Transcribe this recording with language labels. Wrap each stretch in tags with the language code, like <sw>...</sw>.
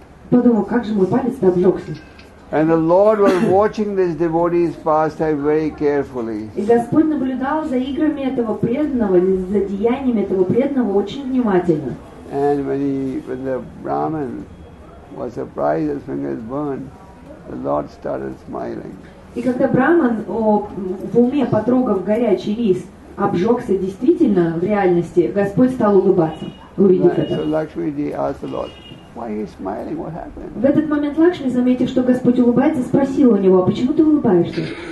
<ru>Подумал, как же мой палец обжегся.</ru> <en>And the Lord was watching this devotee's pastime very carefully.</en> <ru>И Господь наблюдал за играми этого преданного, за деяниями этого преданного очень внимательно.</ru> <en>And when the Brahmin was surprised his fingers burned, the Lord started smiling.</en> <ru>И когда Браман в уме, потрогав горячий рис, обжегся действительно в реальности, Господь стал улыбаться, увидев это. В этот момент Лакшми, заметив, что Господь улыбается, спросил у него, а почему ты улыбаешься?</ru>